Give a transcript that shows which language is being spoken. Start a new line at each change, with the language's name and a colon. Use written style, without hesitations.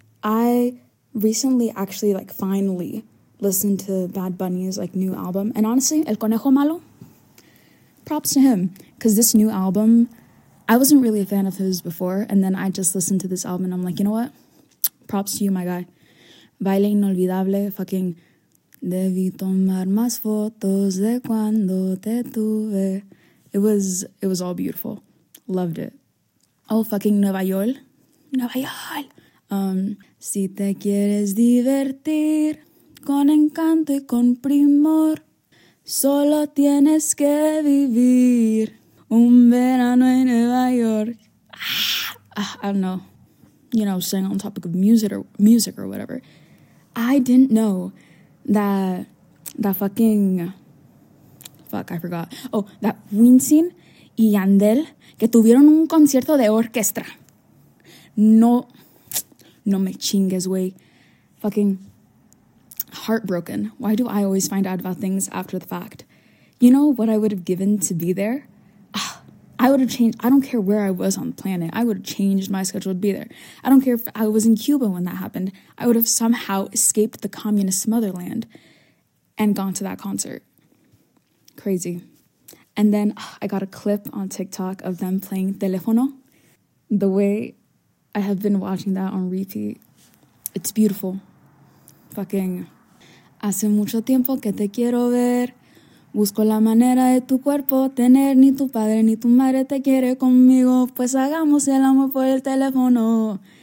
English: I recently actually like finally listened to Bad Bunny's like new album. And honestly, El Conejo Malo, props to him. Cause this new album, I wasn't really a fan of his before. And then I just listened to this album and I'm like, you know what? Props to you, my guy.
Spanish: Baile Inolvidable, fucking debí tomar más fotos de cuando te tuve.
English: It was all beautiful. Loved it. Oh, fucking Nueva York. Nueva York.
Spanish: Si te quieres divertir con encanto y con primor, solo tienes que vivir un verano en Nueva York.
English: Ah, I don't know. You know, saying on topic of music or whatever. I didn't know that fucking... Fuck, I forgot. Oh, that
Spanish: Wisin y Yandel que tuvieron un concierto de orquesta. No me chingues, güey.
English: Fucking heartbroken. Why do I always find out about things after the fact? You know what I would have given to be there? I would have changed. I don't care where I was on the planet. I would have changed my schedule to be there. I don't care if I was in Cuba when that happened. I would have somehow escaped the communist motherland and gone to that concert. Crazy. And then I got a clip on TikTok of them playing Teléfono. The way I have been watching that on repeat, it's beautiful. Fucking.
Spanish: Hace mucho tiempo que te quiero ver. Busco la manera de tu cuerpo tener. Ni tu padre ni tu madre te quiere conmigo. Pues hagamos el amor por el teléfono.